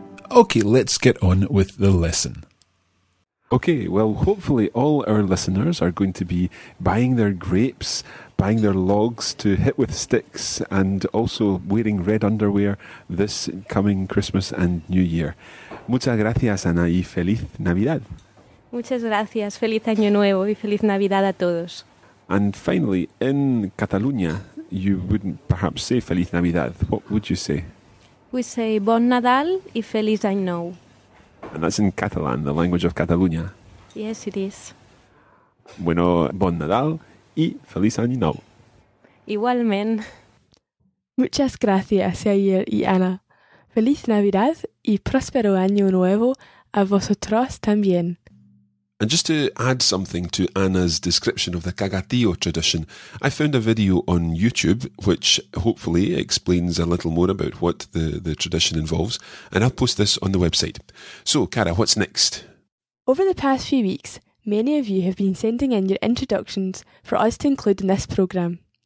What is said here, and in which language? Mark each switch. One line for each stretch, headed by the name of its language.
English: Okay, let's get on with the lesson. Okay, well, hopefully all our listeners are going to be buying their grapes, buying their logs to hit with sticks, and also wearing red underwear this coming Christmas and New Year.
Spanish: Muchas gracias, Ana, y feliz Navidad. Muchas gracias, feliz año nuevo y feliz Navidad a todos.
English: And finally, in Catalonia, you wouldn't perhaps say
Spanish: feliz Navidad.
English: What would you say? We say
Catalan: Bon Nadal y Feliz Any Nou.
English: And that's in Catalan, the language of Catalunya. Yes, it is.
Spanish: Bueno,
Catalan: Bon Nadal y Feliz Any Nou. Igualment.
Spanish: Muchas gracias, Yair y Ana. Feliz Navidad y próspero año nuevo a vosotros también.
English: And just to add something to Anna's description of the Cagatillo tradition, I found a video on YouTube, which hopefully explains a little more about what the tradition involves, and I'll post this on the website. So, Cara, what's next? Over the past few weeks, many of you have been sending in your introductions for us to include in this programme.